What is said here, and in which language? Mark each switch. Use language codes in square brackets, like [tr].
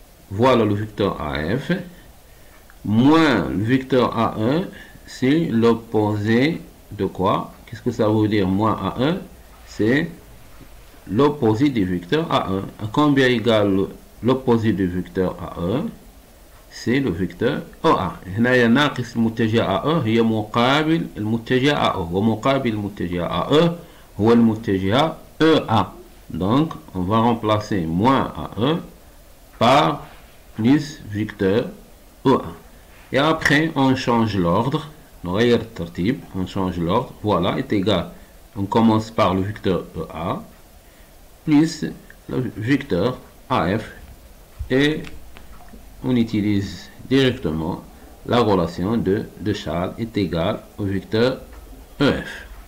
[fr] Voilà le vecteur AF moins le vecteur AE, c'est l'opposé de quoi? Qu'est-ce que ça veut dire moins AE? C'est l'opposé du vecteur AE. À combien égale l'opposé du vecteur AE? C'est le vecteur OA. [ar] هنا يا ناقص المتجه AE هي مقابل المتجه AE ومقابل المتجه AE هو المتجه EA. [fr] Donc on va remplacer moins AE par plus vecteur OA. Et après on change l'ordre. On change l'ordre. Voilà, est égal. On commence par le vecteur EA plus le vecteur AF et on utilise directement la relation de Charles est égal au vecteur EF.